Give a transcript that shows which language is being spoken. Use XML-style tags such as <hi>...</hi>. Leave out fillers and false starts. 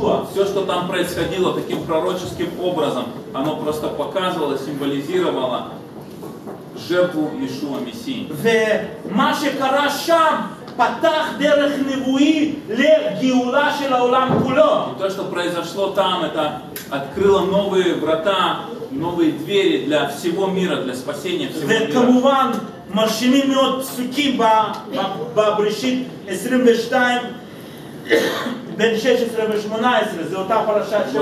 <ru>Все, что там происходило таким пророческим образом, оно просто показывало, символизировало жертву Иешуа Мессии.</ru> <he>ומה שקרה שם פתח דרך נבואי לגאולה של העולם כולו.</he> <ru>То, что произошло там, это открыло новые врата, новые двери для всего мира, для спасения всего мира.</ru> <he>וכמובן מרשימים מאוד פסוקים בבראשית 22 בין 16 ו-18, זה אותה פרשת שבוע.</he>